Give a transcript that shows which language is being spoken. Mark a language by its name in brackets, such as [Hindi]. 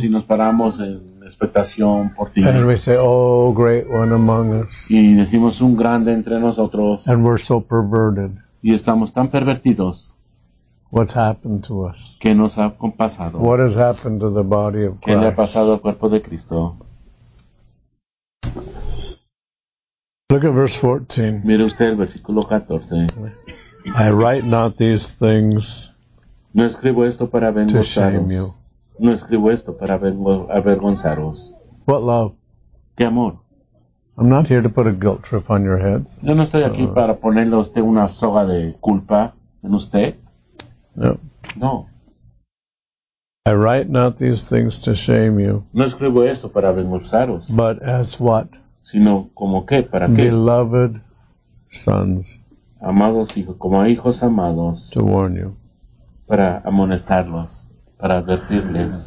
[English] you. [Spanish] Y nos paramos en expectación por ti. [English] And we say, oh, great one among us. [Spanish] Y decimos, un grande entre nosotros. [English] And we're so perverted. [Spanish] Y estamos tan pervertidos. [English] What's happened to us? [Spanish] ¿Qué nos ha pasado? [English] What has happened to the body of Christ? [Spanish] ¿Qué le ha pasado al cuerpo de Cristo? [English] Look at verse 14. [Spanish] Mire usted el versículo 14. [English] I write not these things. [Spanish] No escribo esto para avergonzaros. [English] To shame you. [Spanish] No escribo esto para avergonzaros. [English] What love? [Spanish] ¿Qué amor? [English] I'm not here to put a guilt trip on your head. [Spanish] Yo no estoy aquí para ponerle a usted una soga de culpa en usted. [English] No. [Spanish] No. [English] I write not these things to shame you. [Spanish] No escribo esto para avergonzaros. [English] But as what? [Spanish] Sino como qué, para qué. [English] Beloved sons. [Spanish] Amados hijos, como hijos amados. [English] To warn you. [Spanish] Para amonestarlos, para advertirles.